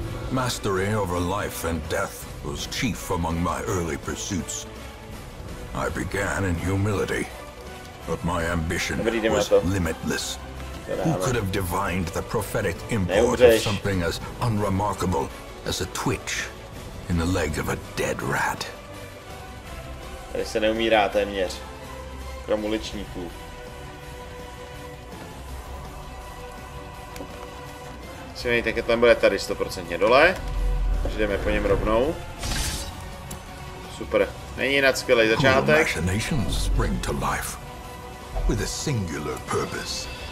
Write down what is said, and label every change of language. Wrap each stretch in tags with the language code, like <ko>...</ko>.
<en>Mastery over life and death was chief among my early pursuits. I began in humility, but my ambition was limitless. Who could have divined the prophetic import of something as unremarkable as a twitch in the leg of a dead rat?</en> <cs>Tady se neumírá téměř, krom uličníků. Silnej, tak tam bude tady 100% dole. Takže jdeme po něm rovnou. Super. Není jinak skvělý začátek.</cs> <en>Machinations spring to life with a singular purpose.</en>